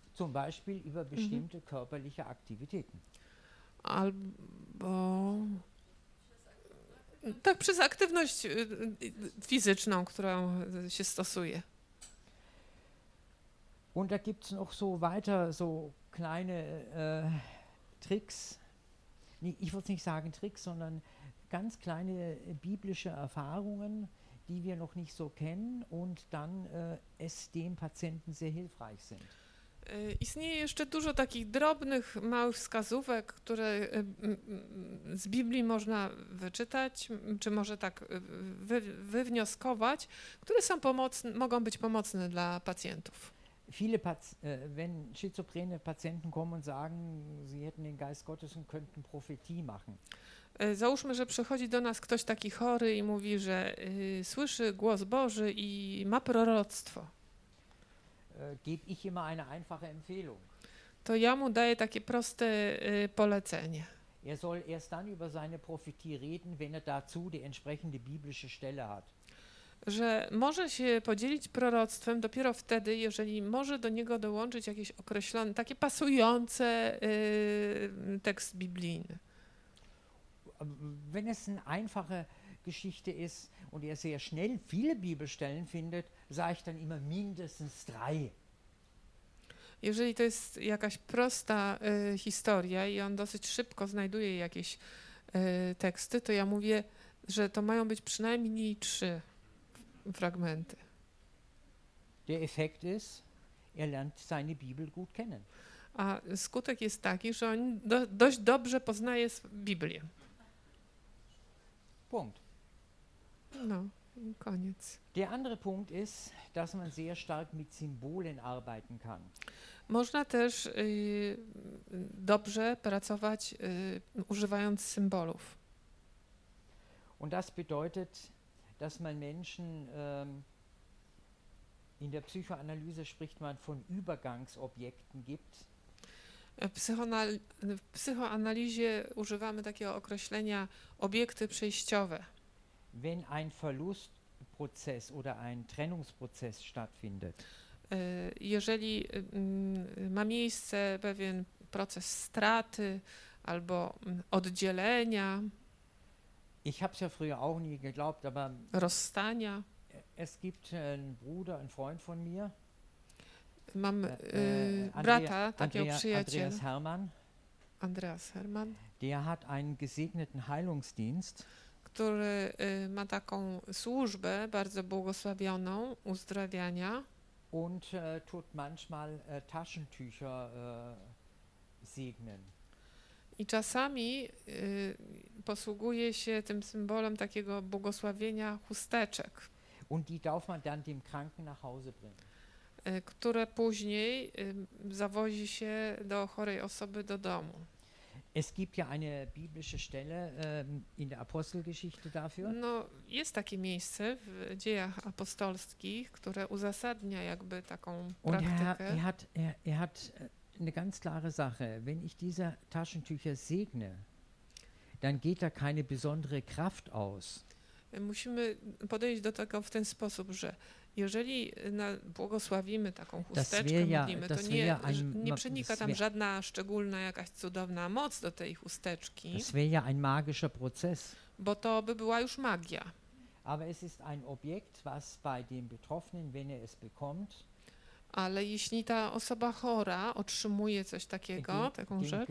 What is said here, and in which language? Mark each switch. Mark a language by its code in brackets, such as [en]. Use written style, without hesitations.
[de] Zum Beispiel über bestimmte körperliche Aktivitäten. [pl] Albo tak przez aktywność fizyczną, którą się stosuje. [de] Und da gibt's noch so weiter so kleine Tricks. Nee, ich würde nicht sagen Tricks, sondern ganz kleine biblische Erfahrungen, die wir noch nicht so kennen und dann es dem Patienten sehr hilfreich sind. [pl] Istnieje jeszcze dużo takich drobnych, małych wskazówek, które z Biblii można wyczytać, czy może tak wywnioskować, które są pomocne, mogą być pomocne dla pacjentów. [de] Viele wenn schizophrene Patienten kommen und sagen, sie hätten den Geist Gottes und könnten Prophetie machen. [pl] Załóżmy, że przychodzi do nas ktoś taki chory i mówi, że słyszy głos Boży i ma proroctwo. [de] Gebe ich immer eine einfache Empfehlung. [pl] To ja mu daję takie proste polecenie. [de] Er soll erst dann über seine Prophetie reden, wenn er dazu die entsprechende biblische Stelle hat. [pl] Że może się podzielić proroctwem dopiero wtedy, jeżeli może do niego dołączyć jakieś określone, takie pasujące tekst biblijny. [de] Wenn es eine einfache Geschichte ist und er sehr schnell viele Bibelstellen findet, sage ich dann immer mindestens drei. [pl] Jeżeli to jest jakaś prosta historia i on dosyć szybko znajduje jakieś teksty, to ja mówię, że to mają być przynajmniej trzy. Fragmenty. [de] Der Effekt ist, er lernt seine Bibel gut kennen. [pl] A skutek jest taki, że on dość dobrze poznaje Biblię. [de] Punkt. [pl] No, koniec. [de] Der andere Punkt ist, dass man sehr stark mit Symbolen arbeiten kann. [pl] Można też dobrze pracować używając symbolów. [de] Und das bedeutet, dass man Menschen in der Psychoanalyse spricht man von Übergangsobjekten gibt. [pl] W psychoanalizie używamy takiego określenia obiekty przejściowe. [de] Wenn ein Verlustprozess oder ein Trennungsprozess stattfindet. [pl] Jeżeli ma miejsce pewien proces straty albo oddzielenia. [de] Ich habe es ja früher auch nie geglaubt, aber [pl] Rozstania. [de] Es gibt einen Bruder, einen Freund von mir. [pl] Mam brata, takiego przyjaciela. [de] Andreas Hermann. Der hat einen gesegneten Heilungsdienst. [pl] Który ma taką służbę bardzo błogosławioną uzdrawiania. [de] und tut manchmal Taschentücher segnen. [pl] I czasami posługuje się tym symbolem takiego błogosławienia chusteczek. [de] Und die darf man dann dem Kranken nach Hause bringen. [pl] Które później zawozi się do chorej osoby do domu. [de] Es gibt ja eine biblische Stelle in der Apostelgeschichte dafür. [pl] No, jest takie miejsce w Dziejach Apostolskich, które uzasadnia jakby taką [de] und [pl] praktykę. [de] Er hat eine ganz klare Sache. Wenn ich diese Taschentücher segne, dann geht da keine besondere Kraft aus. [pl] Musimy podejść do tego w ten sposób, że jeżeli błogosławimy taką chusteczkę, nie przenika tam żadna szczególna jakaś cudowna moc do tej chusteczki. [de] Das wäre ja ein magischer Prozess. [pl] Bo to by była już magia. [de] Aber es ist ein Objekt, was bei dem Betroffenen, wenn er es bekommt, [pl] ale jeśli ta osoba chora otrzymuje coś takiego, taką rzecz,